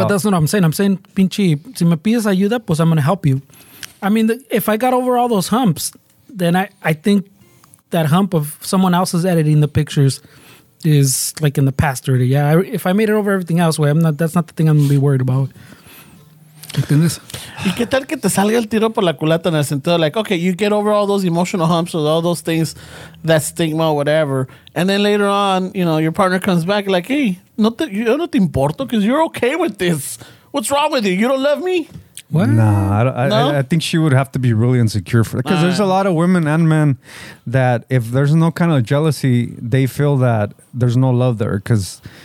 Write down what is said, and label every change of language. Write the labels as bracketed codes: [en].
[en] But that's not what I'm saying. I'm saying, [es] pinche, si me pides ayuda, pues [en] I'm gonna help you. I mean, if I got over all those humps, then I think that hump of someone else is editing the pictures is like in the past already. Yeah, if I made it over everything else, well, that's not the thing I'm gonna be worried about. [es] ¿Y qué tal que te salga el tiro por la culata en el sentido? [en] Like, okay, you get over all those emotional humps with all those things, that stigma, whatever. And then later on, you know, your partner comes back like, hey, [es] yo no te importo [en] because you're okay with this. What's wrong with you? You don't love me? What? Nah, I think she would have to be really insecure for because there's a lot of women and men that if there's no kind of jealousy, they feel that there's no love there because...